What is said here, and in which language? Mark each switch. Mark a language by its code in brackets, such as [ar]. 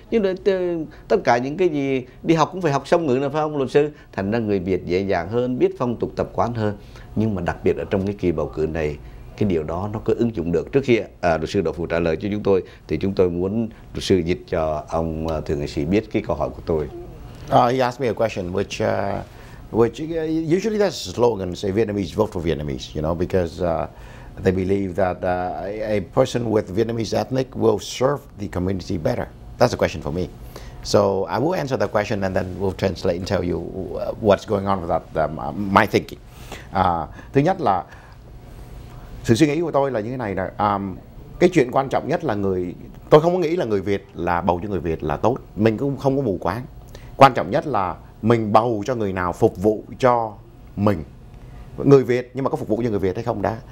[vi] Nhưng mà tất cả những cái gì đi học cũng phải học song ngữ nữa phải không luật sư? Thành ra người Việt dễ dàng hơn, biết phong tục tập quán hơn. Nhưng mà đặc biệt ở trong cái kỳ bầu cử này, cái điều đó nó có ứng dụng được. Trước khi luật sư Đỗ Phủ trả lời cho chúng tôi, thì chúng tôi muốn luật sư dịch cho ông thượng nghị sĩ biết cái câu hỏi của tôi. [en] He asked me a question which... usually that's a slogan, say Vietnamese vote for Vietnamese, you know, because they believe that a person with Vietnamese ethnic will serve the community better. That's a question for me. So I will answer the question and then we'll translate and tell you what's going on with that, my thinking. [vi] Thứ nhất là, sự suy nghĩ của tôi là như thế này nè. Cái chuyện quan trọng nhất là tôi không có nghĩ là người Việt là bầu cho người Việt là tốt. Mình cũng không có mù quáng. Quan trọng nhất là mình bầu cho người nào phục vụ cho mình, người Việt, nhưng mà có phục vụ cho người Việt hay không đã.